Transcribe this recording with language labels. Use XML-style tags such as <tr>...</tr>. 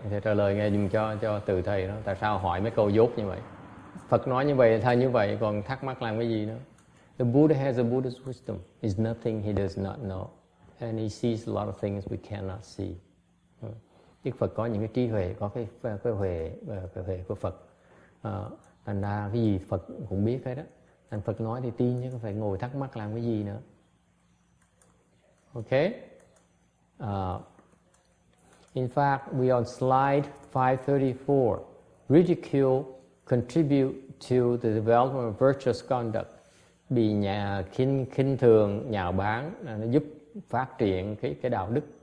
<vi>Thầy trả lời nghe dùm cho từ thầy đó. Tại sao hỏi mấy câu dốt như vậy? Phật nói như vậy, thầy như vậy, còn thắc mắc làm cái gì nữa?</vi> <en>The Buddha has a Buddha's wisdom. It's nothing he does not know. And he sees a lot of things we cannot see.</en> <vi>Đức Phật có những cái trí huệ, có cái huệ của Phật. Thành ra cái gì Phật cũng biết hết đó. Thành Phật nói thì tin chứ không phải ngồi thắc mắc làm cái gì nữa.</vi> <en>Okay? In fact, we on slide 534. Ridicule contribute to the development of virtuous conduct.</en> <vi>Bị nhà khinh thường, nhào báng, nó giúp phát triển cái đạo đức.</vi>